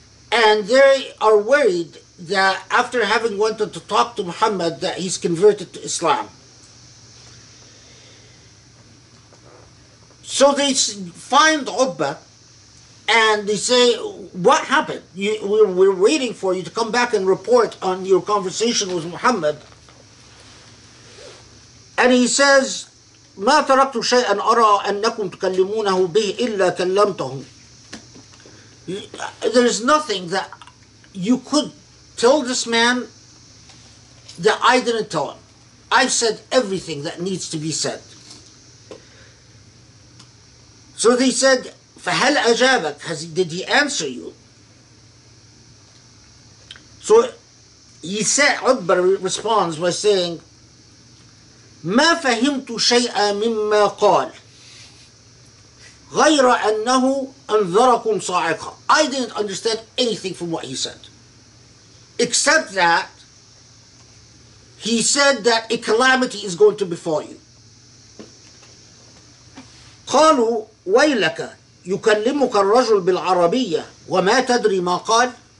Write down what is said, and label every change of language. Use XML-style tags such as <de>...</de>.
<en>And they are worried that after having wanted to talk to Muhammad, that he's converted to Islam. So they find Utbah and they say, what happened? We're waiting for you to come back and report on your conversation with Muhammad. And he says,</en> <ar>ما تركت شيئا أرى أنكم تكلمونه به إلا كلمته.</ar> <en>There is nothing that you could tell this man that I didn't tell him. I've said everything that needs to be said. So they said,</en> <ar>فهل أجابك?</ar> <en>Did he answer you? So he said, Utbah responds by saying,</en> <ar>ما فهمت شيئا مما قال غير أنه أنذركم صاعقة.</ar> <en>I didn't understand anything from what he said, except that he said that a calamity is going to befall you.</en> <ar>قالوا ويلك يكلمك الرجل بالعربية وما تدري ما قال.</ar>